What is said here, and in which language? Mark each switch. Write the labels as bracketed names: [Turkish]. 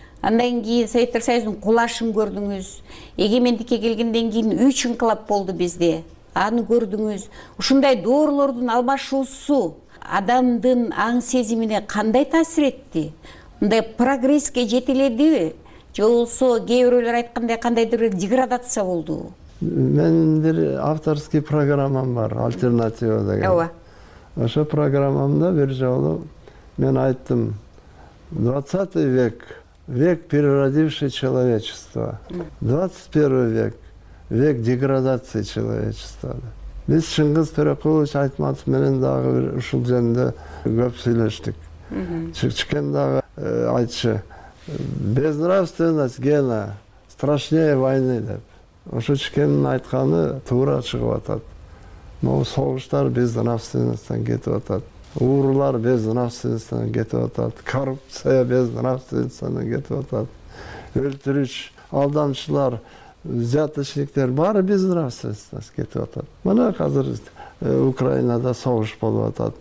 [Kyrgyz] Андан кийин Советтер Союзунун кулашын көрдүңүз. Эгемендикке келгенден кийин 3 инкылап болду бизде. Аны көрдүңүз. Ушундай доорлордун алмашуусу адамдын аң сезимине кандай таасир этти? Мындай прогресске жетиледиби? Же болсо кээ бирөөлөр айткандай кандайдыр бир деградация болдубу? Менин бир авторский программам бар, альтернатива деген. Ооба. Ошо программамда бир жолу мен айттым, 20 [Russian] век – век переродивший человечество. 21 век – век деградации человечества. [Kyrgyz] Биз Чыңгыз Төрөкулович Айтматов менен дагы ушул жөнүндө көп сүйлөштүк. Чыкчыкен дагы айтчы, [Russian] безнравственность гена страшнее войны деп. [Kyrgyz] Ошо чекенин айтканы туура чыгып атат. Но согуштар безнравственностьтан кетип атат. Уурлар безнравственностьтан кетип атат. Коррупция безнравственностьтан кетип атат. Өлтүрүш, алдамчылар, взяточниктер баары безнравственностьтан кетип атат. Мына азыр Украинада согуш болуп атат.